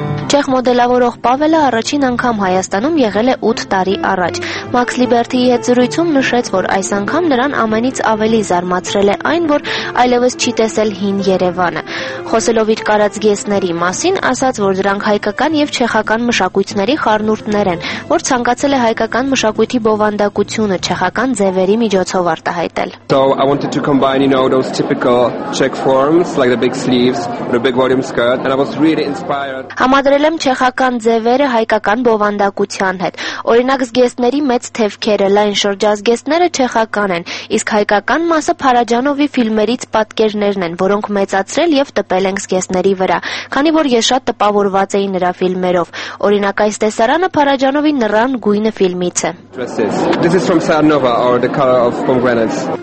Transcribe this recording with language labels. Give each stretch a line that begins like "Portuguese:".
Armenian: Չեխ մոդելավորող Պավելը առաջին անգամ Հայաստանում եղել է 8 տարի առաջ։ Մաքս Լիբերթիի հետ զրույցում նշեց, որ այս անգամ նրան ամենից ավելի զարմացրել է այն, որ այլևս չի տեսել հին Երևանը։ Խոսելով իր կարածգեսների մասին, ասաց, որ դրանք հայկական եւ չեխական մշակույթների խառնուրդներ են, որ ցանկացել է հայկական մշակույթի բովանդակությունը չեխական ձևերի միջոցով արտահայտել։
English: So I wanted to combine, you know, those typical Czech forms like the big sleeves with a big volume skirt, and I was really inspired.
Armenian: Ադրել եմ չեխական ձևերը հայկական բովանդակության հետ։ Օրինակ զգեստների մեծ թևքերը, լայն շրջազգեստները չեխական են, իսկ հայկական մասը Փարաջանովի ֆիլմերից պատկերներն են, որոնք մեծացրել եւ տպել են զգեստների վրա, քանի որ ես շատ տպավորված էի նրա ֆիլմերով։ Օրինակ այս տեսարանը Փարաջանովի նրան գույնը ֆիլմից է։
English: This is from Sarnova or the color of pomegranates.